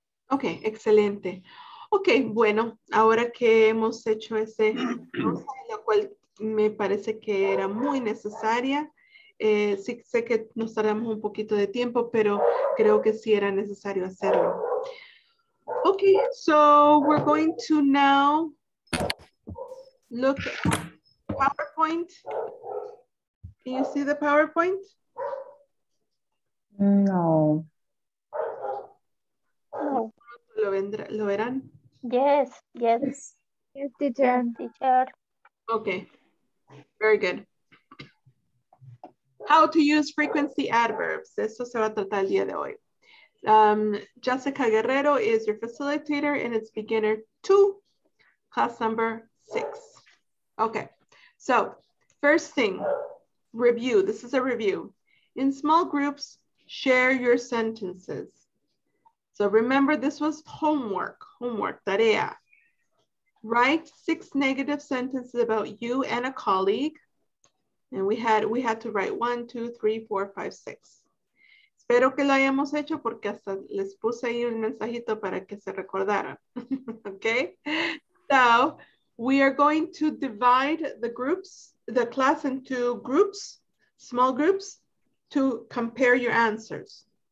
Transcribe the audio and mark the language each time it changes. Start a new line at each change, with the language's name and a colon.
Spanish: Ok, excelente. Ok, bueno, ahora que hemos hecho ese, lo cual me parece que era muy necesaria. Sí, sé que nos tardamos un poquito de tiempo, pero creo que sí era necesario hacerlo.
English: Ok, so we're going to now look at PowerPoint. Can you see the PowerPoint? No. No.
Spanish: ¿Lo verán?
English: Yes, yes. Yes, teacher. Yes, teacher. Ok, very good. How to use frequency adverbs.
Spanish: Esto se va a tratar el día de hoy.
English: Jessica Guerrero is your facilitator and it's beginner 2, class number 6. Okay, so first thing, review. This is a review. In small groups, share your sentences. So remember, this was homework, tarea. Write 6 negative sentences about you and a colleague. And we had to write 1, 2, 3, 4, 5, 6.
Spanish: Espero que lo hayamos hecho porque hasta les puse ahí un mensajito para que se recordaran.
English: Okay. So we are going to divide the class into groups, small groups, to compare your answers.